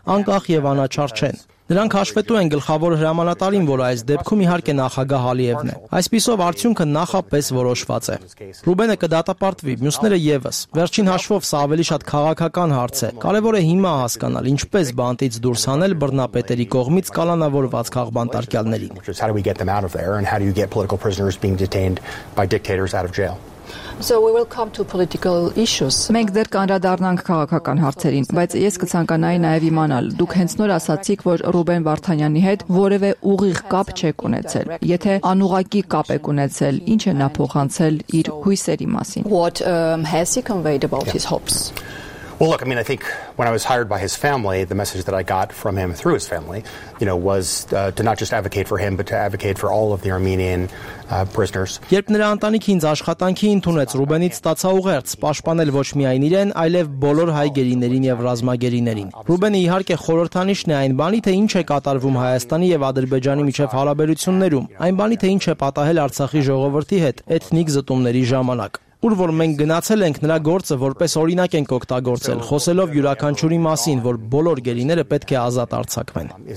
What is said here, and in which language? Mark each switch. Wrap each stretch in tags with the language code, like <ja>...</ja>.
<hy>անկախ եւ անաչառ չեն։ Նրանք հաշվետու են գլխավոր հրամանատարին, որ այս դեպքում իհարկե նախագահ Ալիևն է։ Այսպիսով արդյունքը նախապես որոշված է։ Ռուբենը կդատապարտվի, մյուսները եւս։ Վերջին հաշվով սա ավելի շատ քաղաքական հարց է։ Կարևոր է հիմա հասկանալ, ինչպես բանտից դուրս հանել բռնապետերի կողմից կալանավորված քաղբան տարկյալներին։</hy> <en>So we will come to political issues.</en> <hy>Մենք դեռ կանրադառնանք քաղաքական հարցերին, բայց ես կցանկանայի նաև իմանալ, դուք հենց նոր ասացիք, որ Ռուբեն Վարդանյանի հետ որևէ ուղիղ կապ չեք ունեցել։ Եթե անուղակի կապ եք ունեցել, ի՞նչ է նա փոխանցել իր հույսերի մասին։</hy> <en>What has he conveyed about his hopes? Well, look, I mean, I think when I was hired by his family, the message that I got from him through his family, you know, was to not just advocate for him, but to advocate for all of the Armenian prisoners.</en> <hy>Երբ նրա ընտանիքին աշխատանքի ընդունեց Ռուբենից ստացա ուղերձ պաշտպանել ոչ միայն իրեն, այլև բոլոր հայ գերիներին եւ ռազմագերիներին։ Ռուբենը իհարկե խորհրդանիշն է այն բանի, թե ինչ է կատարվում Հայաստանի եւ Ադրբեջանի միջև հարաբերություններում, այն բանի, թե ինչ է պատահել Արցախի ժողովրդի հետ էթնիկ զտումների ժամանակ։ Որ որ մենք գնացել ենք նրա գործը որպես օրինակ ենք օգտագործել, խոսելով յուրաքանչյուրի մասին, որ բոլոր գերիները պետք է ազատ արձակվեն։</hy>